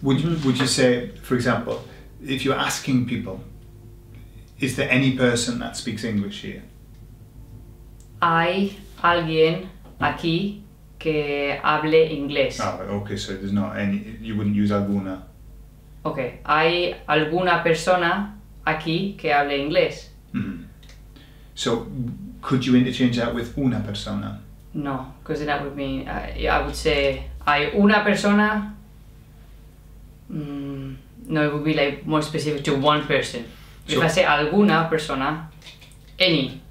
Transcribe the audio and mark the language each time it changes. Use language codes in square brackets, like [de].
[en] would you say, for example, if you're asking people, is there any person that speaks English here? [es] Hay alguien aquí que hable inglés. [en] Oh, okay, so there's not any, you wouldn't use alguna. [es] Okay, hay alguna persona aquí que hable inglés. Mm-hmm. [en] So, could you interchange that with una persona? No, because then that would mean, I would say, [es] hay una persona, [en] No, it would be like more specific to one person. So if I say alguna persona, any.